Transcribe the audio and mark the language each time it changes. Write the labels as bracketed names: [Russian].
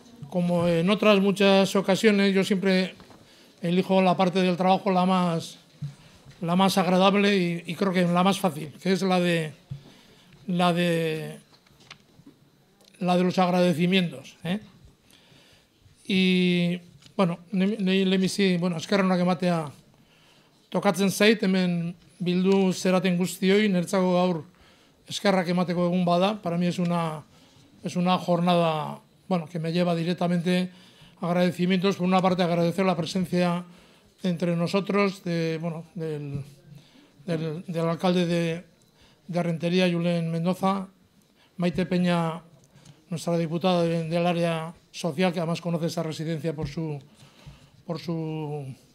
[Spanish] Como en otras muchas ocasiones, yo siempre elijo la parte del trabajo la más agradable y creo que la más fácil, que es la de los agradecimientos. Y bueno, bueno, [Basque] eskerrenak ematea tokatzen zait, hemen bildu zeraten guztioi, nertzako gaur eskerrak emateko egun bada. [Spanish] Para mí es una jornada, bueno, que me lleva directamente agradecimientos. Por una parte, agradecer la presencia entre nosotros del alcalde de Rentería, Julen Mendoza, Maite Peña, nuestra diputada del área social, que además conoce esta residencia por su